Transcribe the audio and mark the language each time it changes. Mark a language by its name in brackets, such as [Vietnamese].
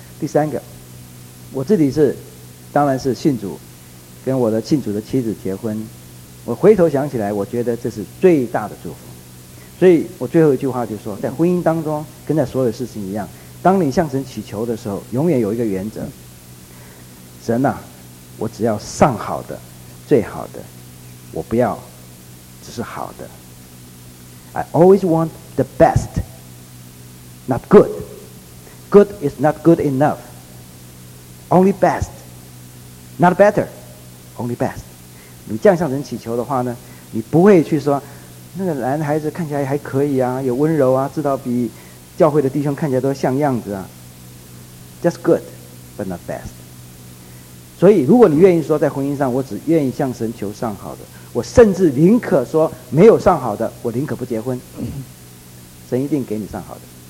[Chinese] 第三个，我自己是当然是信主，跟我的信主的妻子结婚，我回头想起来，我觉得这是最大的祝福。所以我最后一句话就是说，在婚姻当中跟在所有事情一样，当你向神祈求的时候，永远有一个原则，神啊，我只要上好的最好的，我不要只是好的。 [English] I always want the best, not good. Good is not good enough, only best, not better, only best. [Chinese] 你这样向神祈求的话呢，你不会去说那个男孩子看起来还可以啊，有温柔啊，至少比教会的弟兄看起来都像样子啊， [English] just good but not best。 [Chinese] 所以如果你愿意说在婚姻上我只愿意向神求上好的，我甚至宁可说没有上好的，我宁可不结婚，神一定给你上好的。